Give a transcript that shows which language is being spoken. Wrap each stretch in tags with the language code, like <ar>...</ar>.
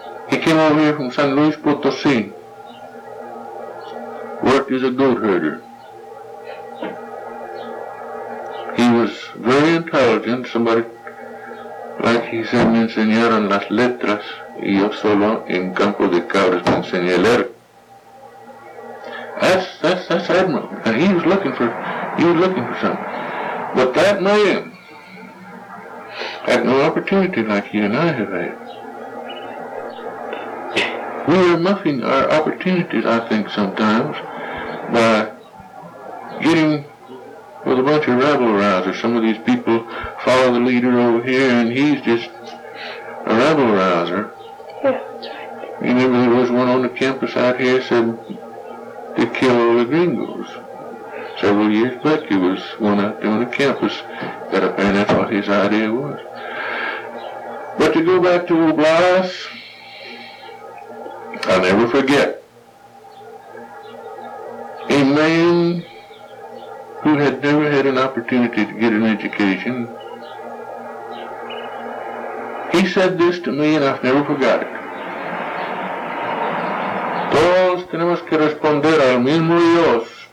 <en>He came over here from San Luis Potosí. Worked as a goat herder. He was very intelligent. Somebody, like he said,</en> <es>me enseñaron las letras y yo solo en campo de cabras me enseñé leer.</es> <en>That's admirable. Now he was looking for something. But that man had no opportunity like you and I have had. We are muffing our opportunities, I think, sometimes by getting with a bunch of rabble rousers. Some of these people follow the leader over here and he's just a rabble rouser. Yeah. You remember there was one on the campus out here said to kill all the gringos. Several years back, there was one out there on the campus that apparently that's what his idea was. But to go back to old Blas, I'll never forget a man who had never had an opportunity to get an education. He said this to me, and I've never forgot it.</en> <es>Tenemos que responder al mismo Dios.</es>